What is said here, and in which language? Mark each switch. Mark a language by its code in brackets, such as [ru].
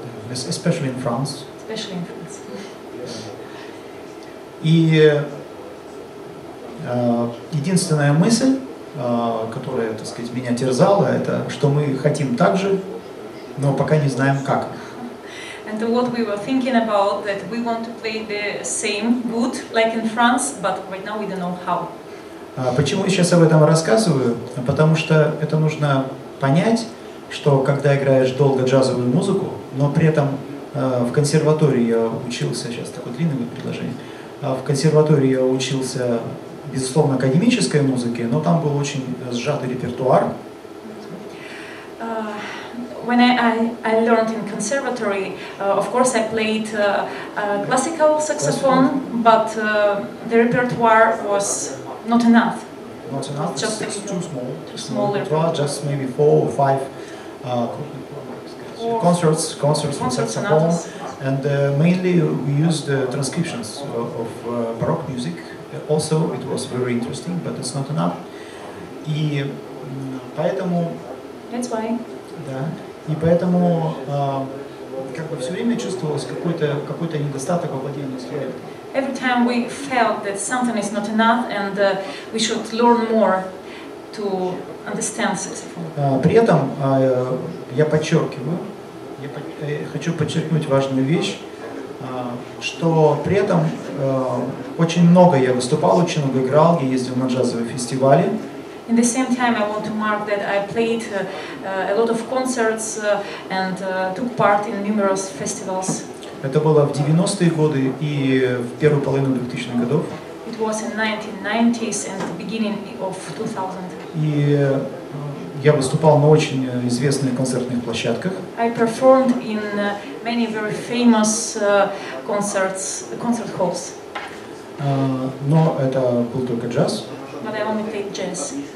[en] Especially in France. Especially in France. [ru] И единственная мысль, которая, так сказать, меня терзала, это что мы хотим так же, но пока не знаем как. [en] And what we were thinking about, that we want to play the same good like in France, but right now we don't know how. [ru] Почему я сейчас об этом рассказываю? Потому что это нужно понять, что когда играешь долго джазовую музыку, но при этом в консерватории я учился, сейчас такое длинное будет предложение, в консерватории я учился, безусловно, академической музыке, но там был очень сжатый репертуар. [en] When I learned in conservatory, of course I played classical saxophone, but the repertoire was not enough. Not enough. Just it's too small. Too small repertoire. Just maybe four or five concerts on saxophone, enough. And mainly we used transcriptions of baroque music. Also, it was very interesting, but it's not enough. [ru] И поэтому. [en] That's why. [ru] Да. И поэтому как бы все время чувствовалось какой-то недостаток овладения инструментом. [en] Every time we felt that something is not enough and we should learn more to understand saxophone. [ru] При этом я хочу подчеркнуть важную вещь, что при этом очень много я выступал, очень много играл, я ездил на джазовые фестивали. [en] In the same time, I want to mark that I played a lot of concerts and took part in numerous festivals. [ru] Это было в 90-е годы и в первую половину 2000-х годов. [en] It was in 1990s and the beginning of 2000. [ru] И я выступал на очень известных концертных площадках. [en] I performed in many very famous concert halls. [ru] Но это был только джаз. [en] But I only played jazz.